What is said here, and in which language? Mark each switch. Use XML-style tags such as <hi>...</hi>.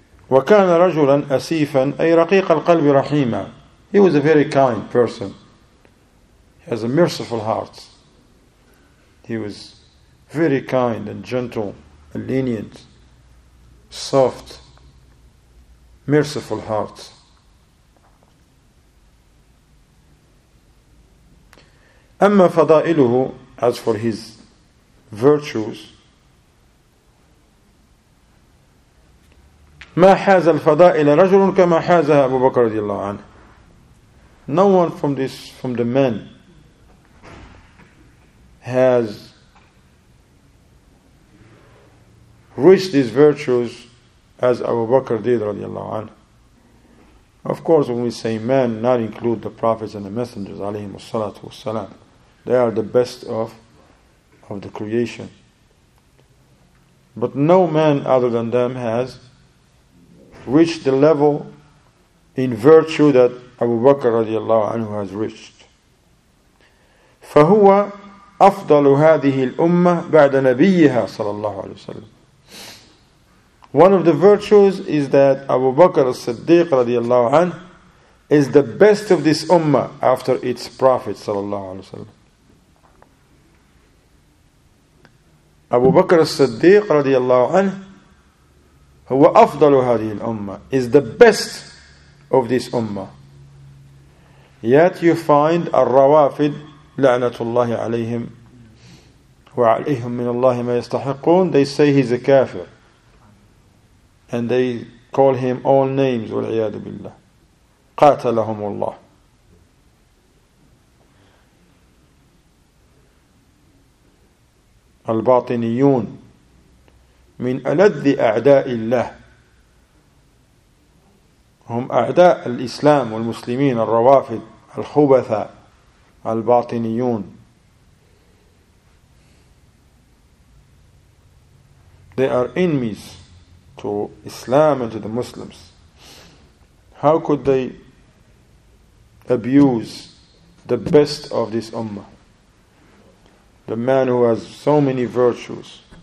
<ar>وكان رجلا أسيفا أي رقيق القلب رحيما.</ar> <en>He was a very kind person. He has a merciful heart. He was very kind and gentle and lenient, soft, merciful heart.</en> <ar>أما فضائله,</ar> <en>as for his virtues,</en> <ar>ما حاز الفضائل رجل كما حازها أبو بكر رضي الله عنه.</ar> <en>No one from the men has reached these virtues as Abu Bakr did</en> <ar>رضي الله عنه.</ar> <en>Of course, when we say men, not include the prophets and the messengers</en> <ar>عليهم الصلاة والسلام.</ar> <en>They are the best of the creation. But no man other than them has reached the level in virtue that Abu Bakr radiallahu anhu has reached.</en> <ar>فهو أفضل هذه الأمة بعد نبيها صلى الله عليه وسلم.</ar> <en>One of the virtues is that Abu Bakr as-Siddiq radiallahu anhu is the best of this Ummah after its Prophet</en> <ar>صلى الله عليه وسلم.</ar> <en>Abu Bakr as-Siddiq radiallahu anhu</en> <ar>هو أفضل هذه الأمة,</ar> <en>is the best of this Ummah. Yet you find</en> <ar>الروافد لعنة الله عليهم وعليهم من الله ما يستحقون.</ar> <en>They say he's a kafir. And they call him all names,</en> <ar>والعياذ بالله. قاتلهم الله. الباطنيون من ألذ أعداء الله. هم أعداء الإسلام والمسلمين الروافد الخبثاء الباطنيون.</ar> <en>They are enemies to Islam and to the Muslims. How could they abuse the best of this Ummah? The man who has so many virtues.</en>